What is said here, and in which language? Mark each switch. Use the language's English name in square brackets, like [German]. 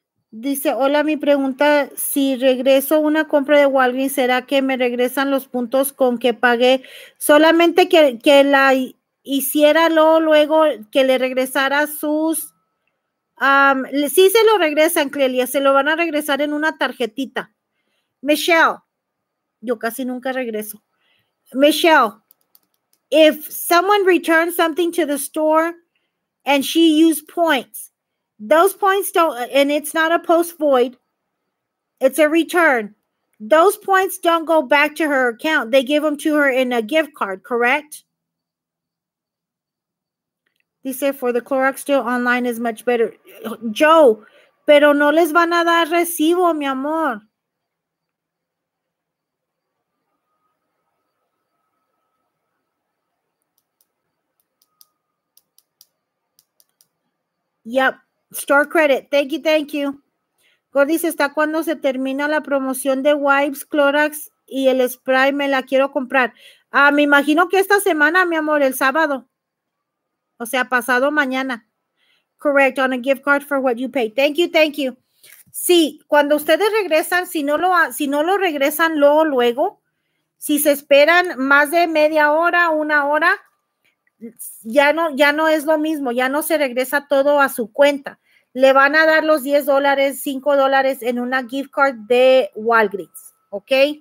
[Spanish] Dice, hola, mi pregunta, si regreso una compra de Walgreens, ¿será que me regresan los puntos con que pagué? Solamente que la hiciera luego que le regresara sus... sí se lo regresan, Clelia, se lo van a regresar en una tarjetita. Michelle, yo casi nunca regreso. [English] Michelle, if someone returns something to the store and she used points, those points don't, and it's not a post void, it's a return. Those points don't go back to her account. They give them to her in a gift card, correct? Dice, for the Clorox still online is much better. [Spanish] Joe, pero no les van a dar recibo, mi amor. [English] Yep, store credit. Thank you, thank you. [Spanish] Gordis, está cuando se termina la promoción de Wipes, Clorox y el spray. Me la quiero comprar. Me imagino que esta semana, mi amor, el sábado. O sea, pasado mañana. [English] Correct, on a gift card for what you pay. Thank you, thank you. [Spanish] Sí, cuando ustedes regresan, si no lo regresan luego, si se esperan más de media hora, una hora, ya no es lo mismo, ya no se regresa todo a su cuenta. Le van a dar los $10, $5 en una gift card de Walgreens, ¿ok?